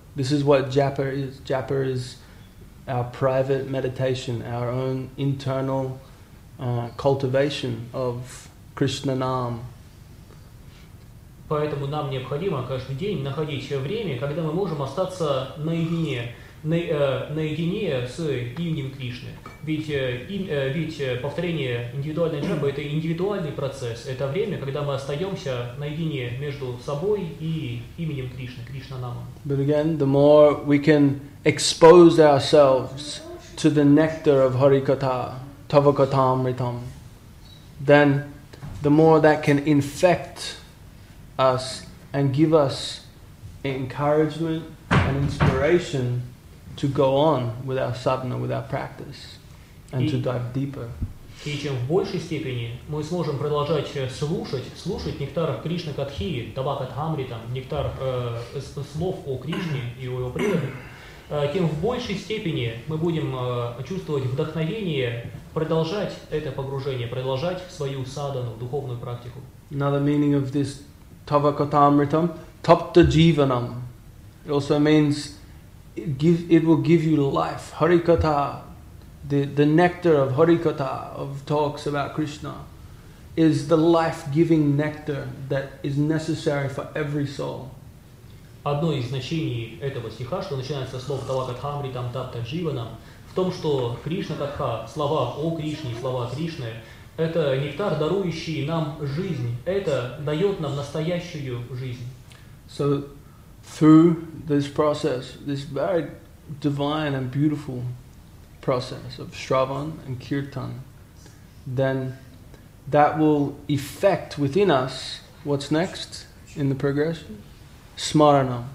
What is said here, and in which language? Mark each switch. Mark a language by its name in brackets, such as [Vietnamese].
[English] This is what japa is. Japa is our private meditation, our own internal cultivation of Krishna Nam. [Russian] Поэтому нам необходимо каждый день находить время, когда мы можем остаться наедине. Наедине с именем Кришны. Ведь повторение индивидуальной джапы – это индивидуальный процесс. Это время, когда мы остаемся наедине между собой и именем Кришны, Кришна Нама. [English] But again, the more we can expose ourselves to the nectar of Harikatha, Tavakatamritam, then the more that can infect us and give us encouragement and inspiration to go on with our sadhana, with our practice, and to dive deeper. [Russian] И чем в большей степени мы сможем продолжать слушать нектар Кришна Катхи, Тавакатамритам, нектар слов о Кришне и о его преданных, тем в большей степени мы будем чувствовать вдохновение продолжать это погружение, продолжать свою садхану, духовную практику. [English] Another meaning of this Тавакатамритам, Тапта Дживанам. It also means it will give you life. Harikatha, the nectar of Harikatha, of talks about Krishna, is the life-giving nectar that is necessary for every soul. [Russian] Одно из значений этого стиха, что начинается со слов Тавакатамритам Тапта Дживанам, в том, что Кришна Катха, слова о Кришне, слова Кришны, это нектар, дарующий нам жизнь. Это дает нам настоящую жизнь. [English] So, through this process, this very divine and beautiful process of Shravan and Kirtan, then that will effect within us what's next in the progression? Smaranam.